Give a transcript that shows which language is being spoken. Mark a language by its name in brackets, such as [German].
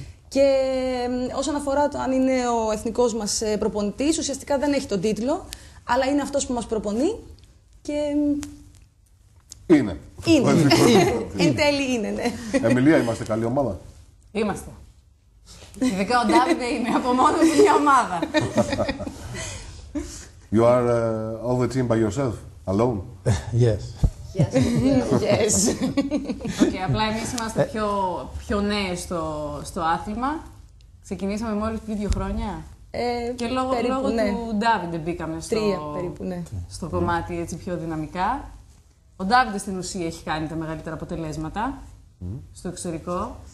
[Greek] Και όσον αφορά το αν είναι ο εθνικός μας προπονητής, ουσιαστικά δεν έχει τον τίτλο, αλλά είναι αυτός που μας προπονεί. Και Είναι. Εν τέλει είναι, ναι. Εμιλία, είμαστε καλή ομάδα. Είμαστε. Ειδικά ο Ντάβιντε είναι από μόνο του μια ομάδα. [English] You are all the team by yourself, alone. Yes. Yes. [Greek] Okay, απλά εμείς είμαστε πιο νέες στο άθλημα. Ξεκινήσαμε μόλις πριν 2 χρόνια. Και λόγω του Ντάβιντε μπήκαμε στο κομμάτι έτσι πιο δυναμικά. Ο Ντάβιντε στην ουσία έχει κάνει τα μεγαλύτερα αποτελέσματα στο εξωτερικό.